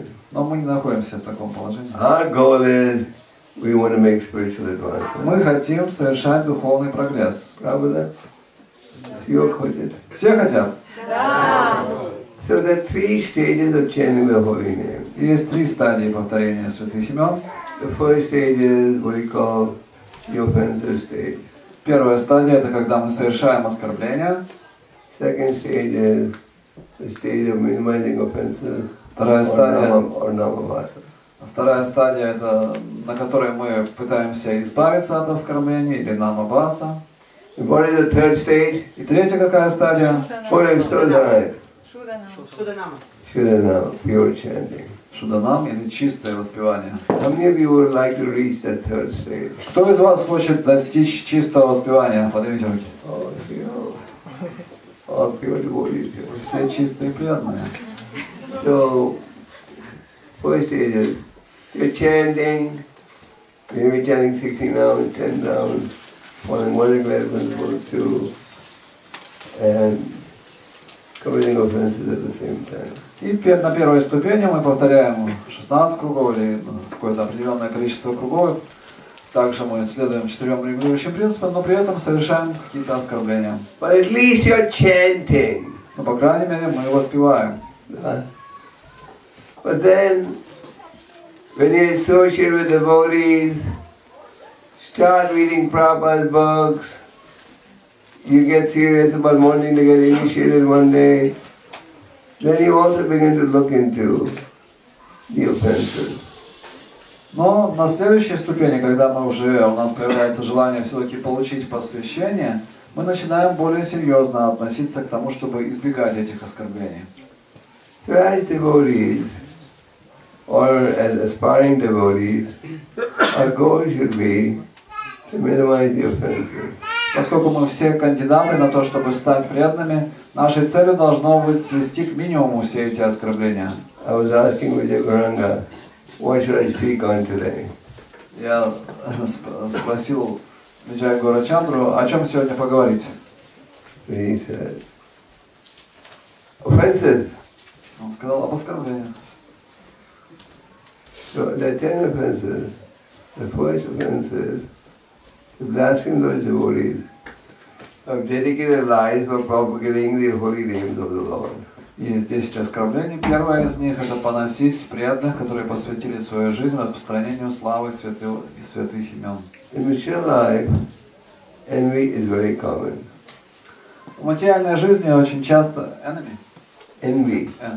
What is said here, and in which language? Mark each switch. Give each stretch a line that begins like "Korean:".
Russian: Но мы не находимся в таком положении.
English: We want to make spiritual advancement.
Russian: Мы хотим совершать духовный прогресс. Правда? Все хотят. Все хотят? Да.
English: So there are three stages of chanting the holy name.
Russian: Есть три стадии повторения святых имен.
English: The first stage is what we call the offensive stage.
Russian: Первая стадия — это когда мы совершаем оскорбление.
English: Second stage is the stage of minimizing offenses.
Russian: Вторая стадия —
English: or namavasa.
Russian: Вторая стадия – это на которой мы пытаемся избавиться от оскорблений или намабаса.
English: What is the third stage?
Russian: И третья какая стадия? Шуданама. Шуданама.
English: Шуданама. Pure chanting.
Russian: Шуданам или чистое воспевание.
English: How many of you would like to reach that third stage?
Russian: Кто из вас хочет достичь чистого воспевания? Поднимите руки. Все чистые и преданные.
English: So, first stage is you're chanting, maybe chanting 16 rounds, 10 rounds, following one regular principle, two, and committing offenses at the same time.
Russian: И на первой ступени мы повторяем 16 кругов или какое-то определенное количество кругов. Также мы следуем четырем регулирующим принципам, но при этом совершаем какие-то оскорбления.
English: But at least you're chanting.
Russian: Но по крайней мере мы воспеваем. Да.
English: But then when you associate with devotees, start reading Prabhupada's books, you get serious about wanting to get initiated one day, then you also begin to look into the offenses.
Russian: Но на следующей ступени, когда мы уже, у нас появляется желание все-таки получить посвящение, мы начинаем более серьезно относиться к тому, чтобы избегать этих оскорблений.
English: So as devotees, or as aspiring devotees, our goal should be to minimize the offenses.
Russian: Поскольку мы все кандидаты на то, чтобы стать преданными, нашей целью должно быть свести к минимуму все эти оскорбления.
English: I was asking Vijay Gauranga, what should I speak on today?
Russian: Я спросил Виджай Гурачандру, о чем сегодня поговорить.
English: He said, offenses.
Russian: Он сказал об оскорблениях.
English: So there are 10 offenses. The first offense is to blaspheme those devotees who have dedicated their lives for propagating the holy names of the Lord.
Russian: Есть 10 оскорблений. Первое из них — это поносить преданных, которые посвятили свою жизнь распространению славы святых имен.
English: In material life, envy is very common.
Russian: В материальной жизни очень часто enemy.
English: Envy.